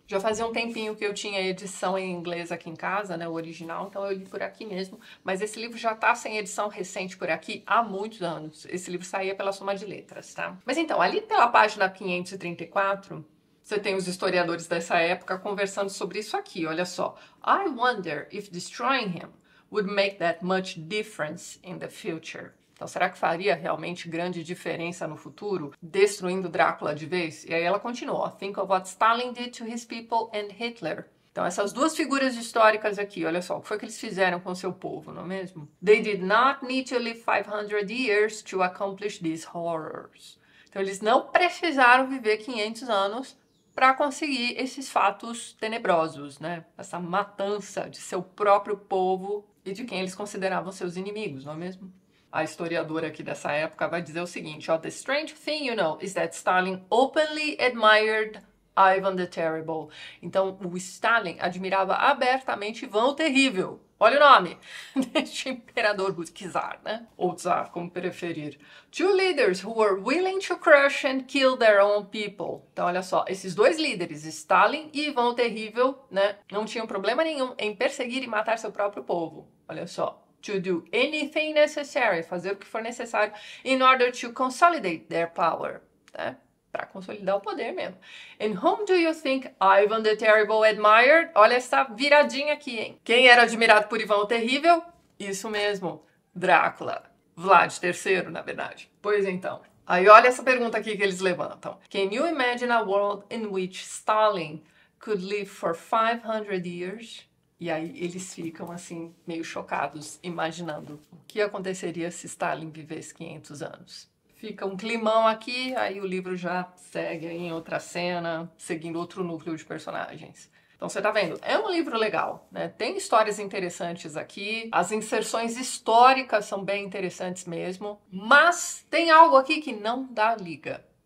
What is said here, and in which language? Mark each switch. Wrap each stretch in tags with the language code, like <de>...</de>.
<pt>Já fazia um tempinho que eu tinha edição em inglês aqui em casa, né, o original, então eu li por aqui mesmo. Mas esse livro já tá sem edição recente por aqui há muitos anos. Esse livro saía pela Soma de Letras, tá? Mas então, ali pela página 534, você tem os historiadores dessa época conversando sobre isso aqui, olha só.</pt> <en>I wonder if destroying him would make that much difference in the future.</en> <pt>Então, será que faria realmente grande diferença no futuro, destruindo Drácula de vez? E aí ela continua.</pt> <en>Think of what Stalin did to his people and Hitler.</en> <pt>Então, essas duas figuras históricas aqui, olha só, o que foi que eles fizeram com o seu povo, não é mesmo?</pt> <en>They did not need to live 500 years to accomplish these horrors.</en> <pt>Então, eles não precisaram viver 500 anos para conseguir esses fatos tenebrosos, né? Essa matança de seu próprio povo e de quem eles consideravam seus inimigos, não é mesmo? A historiadora aqui dessa época vai dizer o seguinte, ó,</pt> <en>the strange thing, you know, is that Stalin openly admired Ivan the Terrible.</en> <pt>Então, o Stalin admirava abertamente Ivan o Terrível. Olha o nome deste imperador russo, czar, né? Ou czar, como preferir.</pt> <en>Two leaders who were willing to crush and kill their own people.</en> <pt>Então, olha só, esses dois líderes, Stalin e Ivan o Terrível, né? Não tinham problema nenhum em perseguir e matar seu próprio povo. Olha só.</pt> <en>To do anything necessary,</en> <pt>fazer o que for necessário,</pt> <en>in order to consolidate their power,</en> <pt>né? Para consolidar o poder mesmo.</pt> <en>And whom do you think Ivan the Terrible admired?</en> <pt>Olha essa viradinha aqui, hein? Quem era admirado por Ivan o Terrível? Isso mesmo, Drácula. Vlad III, na verdade. Pois então. Aí olha essa pergunta aqui que eles levantam.</pt> <en>Can you imagine a world in which Stalin could live for 500 years?</en> <pt>E aí eles ficam assim, meio chocados, imaginando o que aconteceria se Stalin vivesse 500 anos. Fica um climão aqui, aí o livro já segue aí em outra cena, seguindo outro núcleo de personagens. Então você tá vendo, é um livro legal, né? Tem histórias interessantes aqui, as inserções históricas são bem interessantes mesmo, mas tem algo aqui que não dá liga.</pt>